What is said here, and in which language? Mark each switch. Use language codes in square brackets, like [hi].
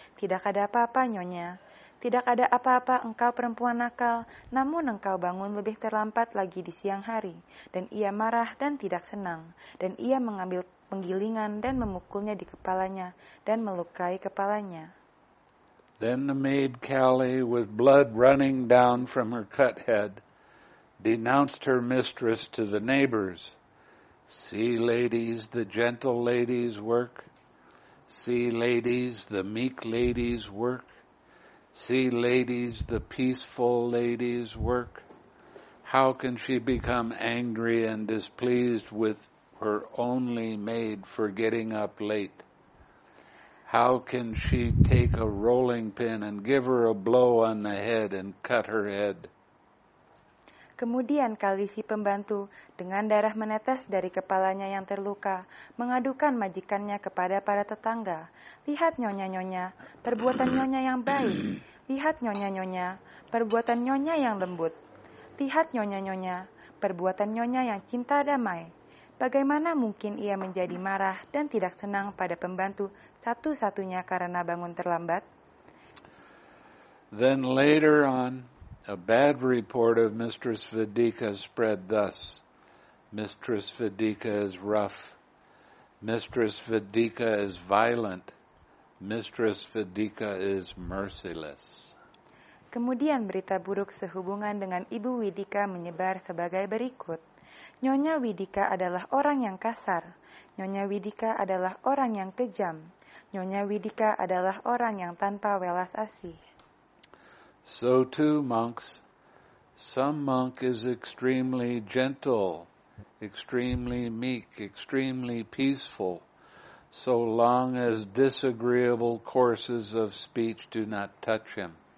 [id] "Tidak ada apa-apa Nyonya. Tidak ada apa-apa engkau perempuan nakal, namun engkau bangun lebih terlambat lagi di siang hari." Dan ia marah dan tidak senang. Dan ia mengambil penggilingan dan memukulnya di kepalanya dan melukai kepalanya. [en] Then the maid Kali, with blood running down from her cut head, denounced her mistress to the neighbors. "See, ladies, the gentle ladies work. See, ladies, the meek ladies work. See, ladies, the peaceful ladies work. How can she become angry and displeased with her only maid for getting up late? How can she take a rolling pin and give her a blow on the head and cut her head?" [id] Kemudian Kali si pembantu, dengan darah menetes dari kepalanya yang terluka, mengadukan majikannya kepada para tetangga. "Lihat nyonya-nyonya, perbuatan nyonya yang baik. Lihat nyonya-nyonya, perbuatan nyonya yang lembut. Lihat nyonya-nyonya, perbuatan nyonya yang cinta damai. Bagaimana mungkin ia menjadi marah dan tidak senang pada pembantu satu-satunya karena bangun terlambat?" [en] Then later on, a bad report of Mistress Fadika spread thus: "Mistress Fadika is rough. Mistress Fadika is violent. Mistress Fadika is merciless." [id] Kemudian berita buruk sehubungan dengan Ibu Widika menyebar sebagai berikut. "Nyonya Widika adalah orang yang kasar. Nyonya Widika adalah orang yang kejam. Nyonya Widika adalah orang yang tanpa welas asih." [en] So too, monks. Some monk is extremely gentle, extremely meek, extremely peaceful, so long as disagreeable courses of speech do not touch him.